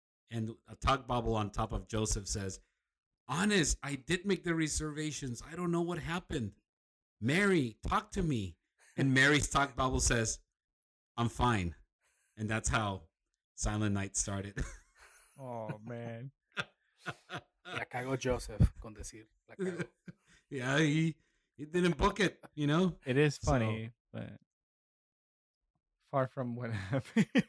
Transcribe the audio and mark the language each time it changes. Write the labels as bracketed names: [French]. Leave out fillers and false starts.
[English] And a talk bubble on top of Joseph says, "Honest, I did make the reservations. I don't know what happened. Mary, talk to me." And Mary's talk bubble says, "I'm fine." And that's how Silent Night started. Oh, man. [Spanish] La cago Joseph, con decir. La cago. [English] Yeah, he didn't book it, you know? It is funny, but far from what happened.